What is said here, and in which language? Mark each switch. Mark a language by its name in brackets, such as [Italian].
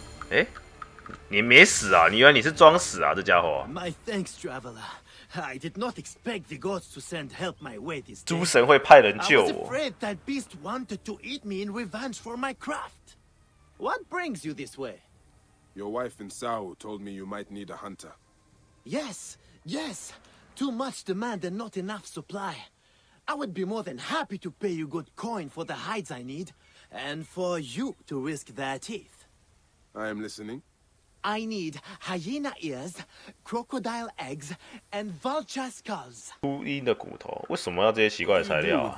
[Chinese] 哎，你没死啊？你原来你是装死啊？这家伙。 [English] My thanks, traveler. I did not expect the gods to send help my way this day. [Chinese] 诸神会派人救我。 [English] I was afraid that beast wanted to eat me in revenge for my craft. What brings you this way? Your wife and Sao told me you might need a hunter. Yes, yes. Too much demand and not enough supply. I would be more than happy to pay you good coin for the hides I need, and for you to risk their teeth. I am listening. I need hyena ears, crocodile eggs, and vulture skulls. [Chinese] 秃鹰的骨头，为什么要这些奇怪的材料啊